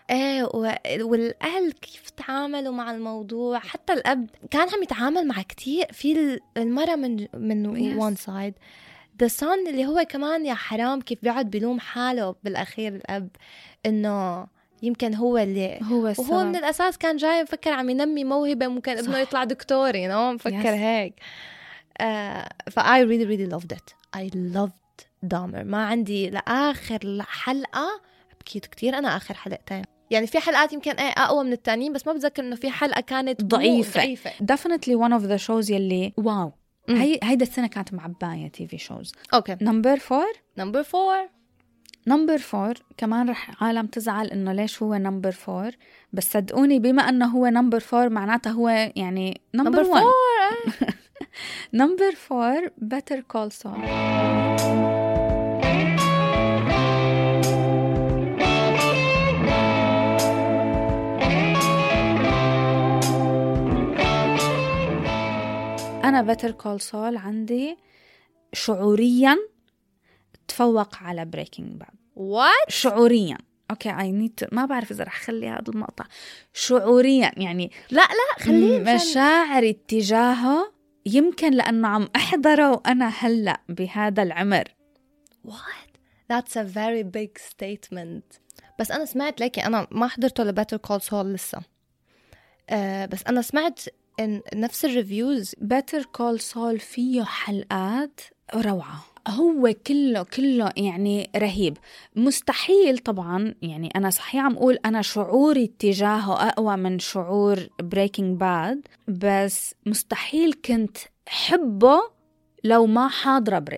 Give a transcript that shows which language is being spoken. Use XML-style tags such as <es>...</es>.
<ar>إيه والأهل كيف تعاملوا مع الموضوع حتى الأب كان عم يتعامل مع كتير في المرة من yes.</ar> <en>one side the son</en> <ar>اللي هو كمان يا حرام كيف بيقعد بلوم حاله بالأخير الأب إنه يمكن هو اللي هو وهو من الأساس كان جاي مفكر عم ينمي موهبة ممكن صح. ابنه يطلع دكتور يعني هو مفكر yes. هيك فأي</ar> <en>really loved it. I loved Dahmer.</en> <ar>ما عندي لآخر حلقة بكيت كتير أنا آخر حلقتين. يعني في حلقات يمكن أقوى من التانيين, بس ما بتذكر إنه في حلقة كانت ضعيفة.</ar> <en>Definitely one of the shows</en> <ar>يلي واو. هيدا السنة كانت معباية</ar> <en>TV shows. Okay. Number four. Number four. Number four.</en> <ar>كمان رح عالم تزعل إنه ليش هو</ar> <en>number four.</en> <ar>بس صدقوني بما أنه هو number four معناته هو يعني</ar> <en>number one. Number four. Number four. Better Call Saul.</en> <ar>أنا Better Call Saul عندي شعورياً تفوق على Breaking Bad.</ar> <en>What؟</en> <ar>شعورياً.</ar> <en>okay okay, I need to...</en> <ar>ما بعرف إذا رح خلي هذا المقطع شعورياً يعني. لا لا خليه. مشاعري اتجاهه يمكن لأنه عم أحضره وأنا هلأ بهذا العمر.</ar> <en>What? That's a very big statement.</en> <ar>بس أنا سمعت لكن أنا ما حضرته ل Better Call Saul لسه. بس أنا سمعت إن نفس الريفيوز Better Call Saul فيه حلقات روعة. هو كله يعني رهيب. مستحيل طبعا يعني أنا صحيح عم أقول أنا شعوري اتجاهه أقوى من شعور Breaking Bad, بس مستحيل كنت حبه لو ما حاضرة</ar>